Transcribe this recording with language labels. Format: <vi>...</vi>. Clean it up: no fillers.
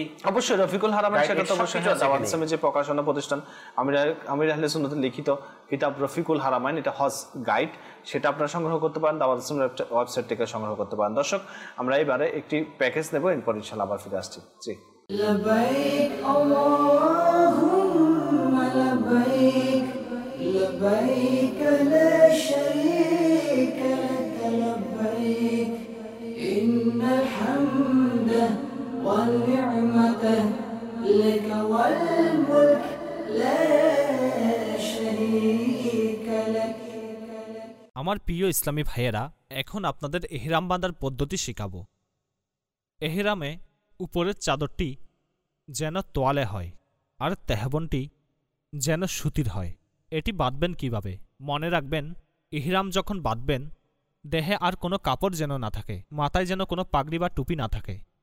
<bn>অবশ্যই রফিকুল হারামাইন সেটা তো অবশ্যই দাওয়াত ইসলামের যে প্রকাশনা প্রতিষ্ঠান, আমির আহলে সুন্নতের লিখিত কিতাব রফিকুল হারামাইন, এটা হজ গাইড, সেটা আপনারা সংগ্রহ করতে পারেন, দাওয়াত ইসলামের ওয়েবসাইট থেকে সংগ্রহ করতে পারেন। দর্শক আমরা এবারে একটি প্যাকেজ নেব, এরপর ইনশাল্লাহ আবার ফিরে আসছি।</bn> <ar>জি لبيك لا شريك لك لبيك إن الحمد والنعمة لك والملك لا شريك لك।</ar> <bn>আমার প্রিয় ইসলামী ভাইয়েরা, এখন আপনাদের এহরাম বাঁধার পদ্ধতি শেখাব। এহরামে উপরের চাদরটি যেন তোয়ালে হয় আর তেহবনটি যেন সুতির হয়। এটি বাঁধবেন কিভাবে? মনে রাখবেন, ইহরাম যখন বাঁধবেন দেহে আর কোনো কাপড় যেন না থাকে, মাথায় যেন কোনো পাগড়ি বা টুপি না থাকে।</bn>